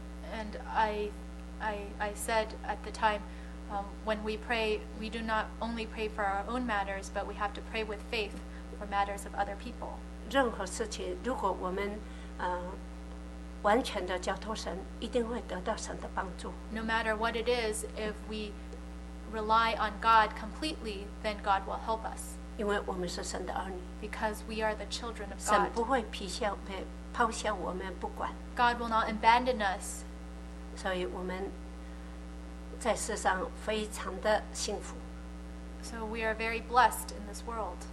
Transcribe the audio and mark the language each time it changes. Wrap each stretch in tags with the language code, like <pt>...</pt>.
<en>And I said at the time, when we pray, we do not only pray for our own matters, but we have to pray with faith for matters of other people.</en> <zh>任何事情，如果我们完全的交托神，一定会得到神的帮助。</zh> <en>No matter what it is, if we rely on God completely, then God will help us.</en> <zh>因为我们是神的儿女。</zh> <en>Because we are the children of God.</en> <zh>神不会抛下我们不管。</zh> <en>God will not abandon us.</en> <zh>所以我们在世上非常的幸福。</zh> <en>So we are very blessed in this world.</en>